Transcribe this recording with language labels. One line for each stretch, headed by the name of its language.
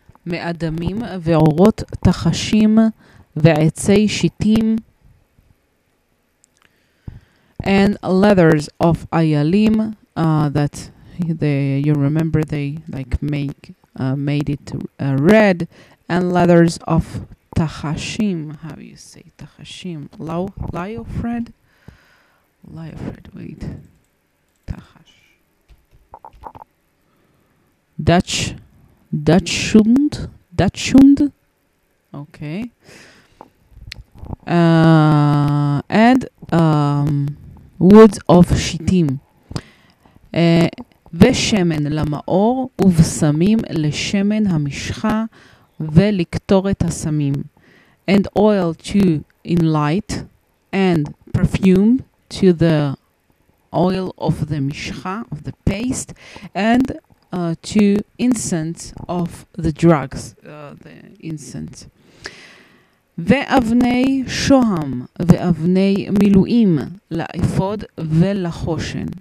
Hebrew: מאדמים ואורות תחשים ועצי שיטים
English: and leathers of ayalim that they, you remember they like make made it red and leathers of תחשים, how you say תחשים, ליופרד, ליופרד, wait, תחש, דאצ'שונד, okay, and woods of
Hebrew: שיטים, ושמן למאור ובשמים לשמן המשחה ולקטורת הסמים.
English: And oil to in light and perfume to the oil of the mishcha, of the paste, and to incense of the drugs, the incense.
Hebrew: ואבני שוהם ואבני מילואים לאפוד ולחושן.